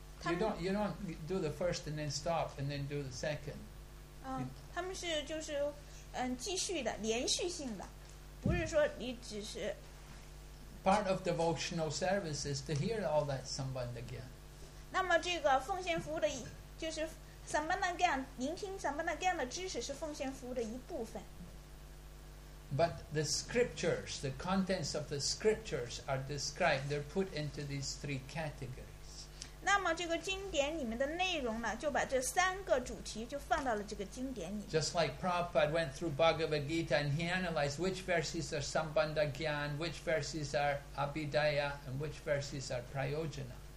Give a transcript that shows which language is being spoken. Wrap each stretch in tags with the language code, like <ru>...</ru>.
<en>You don't do the first and then stop and then do the second.</en> <zh>他们是继续的，连续性的， 不是说你只是。</zh> <en>Part of devotional service is to hear all that Sambandha Gyan.</en> <zh>那么这个奉献服务的， 就是 Sambandha Gyan， 聆听 Sambandha Gyan 的知识是奉献服务的一部分。</zh> <en>But the scriptures, the contents of the scriptures are described, they're put into these three categories.</en> <zh>那么这个经典里面的内容呢， 就把这三个主题就放到了这个经典里面。</zh> <en>Just like Prabhupada went through Bhagavad Gita and he analyzed which verses are Sambandha Gyan, which verses are Abhideya, and which verses are Prayojana.</en>